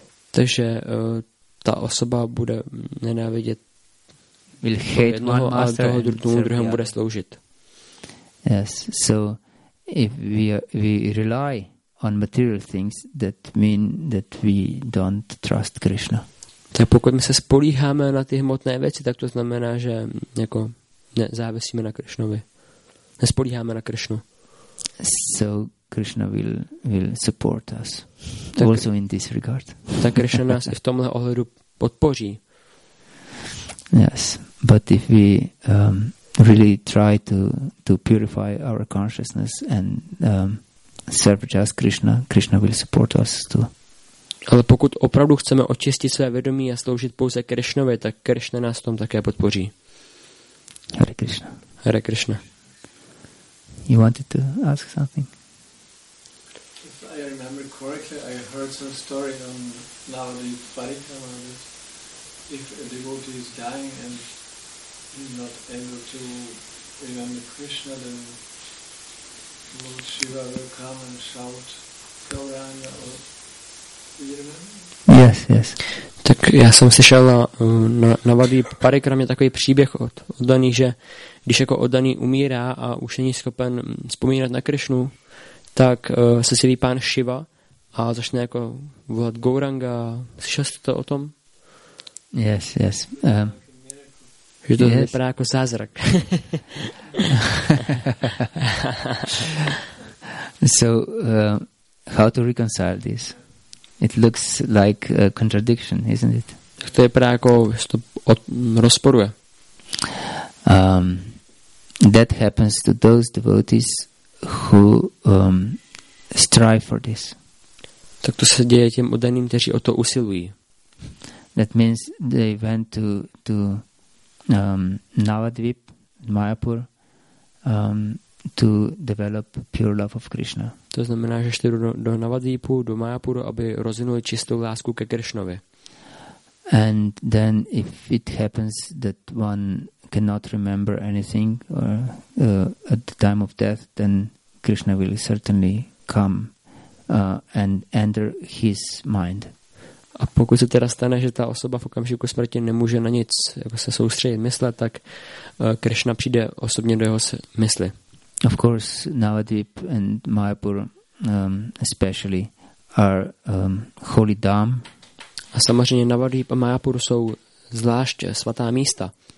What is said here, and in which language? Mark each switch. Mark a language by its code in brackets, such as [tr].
[cs] Takže ta osoba bude nenávidět [en] will hate [cs] toho jednoho, [en] one master [cs] toho druhému bude sloužit. [en] Yes, so if we rely on material things, that mean that we don't trust Krishna. [cs] Tak pokud my se spolíháme na ty hmotné věci, tak to znamená, že jako nezávisíme na Krishnovi. Nespolíháme na Krishnu. [en] So Krishna will support us. Tak, also in this regard. [cs] Tak Krishna nás i v tomhle ohledu podpoří. [en] Yes, but if we really try to purify our consciousness and serve just Krishna, Krishna will support us too. [cs] Ale pokud opravdu chceme očistit své vědomí a sloužit pouze Krishnovi, tak Krishna nás v tom také podpoří. Hare Krishna. Hare Krishna. [en] You wanted to ask something? If I remember correctly, I heard some story on Navadvip Parikrama. If a devotee is dying and he's not able to remember Krishna, then Lord Shiva will come and shout Gauranga or... Yes, yes. [cs] Tak já jsem slyšel na Vadí Parikramě takový příběh od oddaný, že když jako oddaný umírá a už není schopen vzpomínat na Krishnu, tak se sjeví pán Shiva a začne jako volat Gauranga. Slyšel jste to o tom? [en] Yes, yes. [cs] Že to yes. Vypadá jako zázrak. [en] So, how to reconcile this? It looks like a contradiction, isn't it? [cs] To je právě jako rozporuje. [en] That happens to those devotees who strive for this. [cs] Tak to se děje těm oddaným, kteří o to usilují. [en] That means they went to Navadvip, Mayapur, to develop pure love of Krishna. [cs] To znamená, že šli do Navadvipu, do Mayapuru, aby rozvinuli čistou lásku ke Krishnovi. [en] And then if it happens that one cannot remember anything or at the time of death, then Krishna will certainly come and enter his mind. [cs] A pokud se teda stane, že ta osoba v okamžiku smrti nemůže na nic jako se soustředit mysle, tak Krishna přijde osobně do jeho mysli. [en] Of course, Navadvip and Mayapur especially are holy dham. [cs] A samozřejmě Navadvip a Mayapur jsou zvlášť svatá místa.